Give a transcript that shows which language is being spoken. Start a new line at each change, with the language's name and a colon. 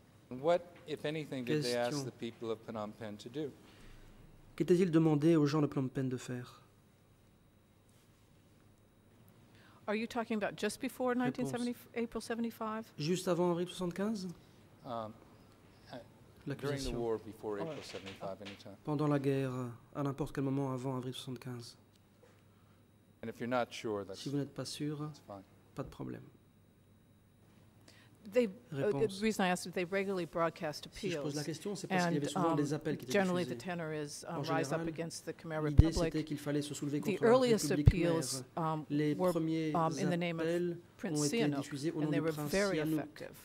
English: What, if anything, did they ask the people of Phnom Penh to do?
French: Qu'était-il demandé aux gens de Phnom Penh de faire?
English: Are you talking about just before 1970, April 75?
French: Juste avant avril 75?
English: During the war before April 75, anytime.
French: Pendant la guerre, à n'importe quel moment avant avril 75.
English: And if you're not sure, that's
French: si vous n'êtes pas sûr, pas de problème.
English: They, the reason I asked if they regularly broadcast appeals,
French: si je pose la question, c'est parce qu'il y avait souvent des appels qui étaient diffusés.
English: And generally the tenor is rise up against the Khmer Republic.
French: L'idée c'était qu'il fallait se soulever contre la République Khmer.
English: The earliest appeals were in the name of Prince Sihanouk, and they were very effective.